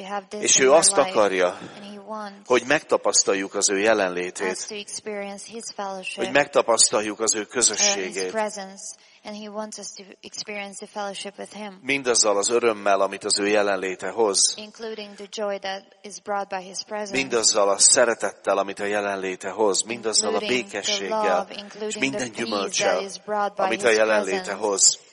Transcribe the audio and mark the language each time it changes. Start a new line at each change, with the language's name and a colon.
Hungarian: És ő azt akarja, hogy megtapasztaljuk az ő jelenlétét, hogy megtapasztaljuk az ő közösségét.
English: And he wants us to experience the fellowship with him.
Hungarian: Mindazzal az örömmel, amit az ő jelenléte hoz.
English: Including the joy that is brought by his presence.
Hungarian: Mindazzal a szeretettel, amit a jelenléte hoz. Mindazzal a békességgel, és minden gyümölccsel, amit a jelenléte hoz.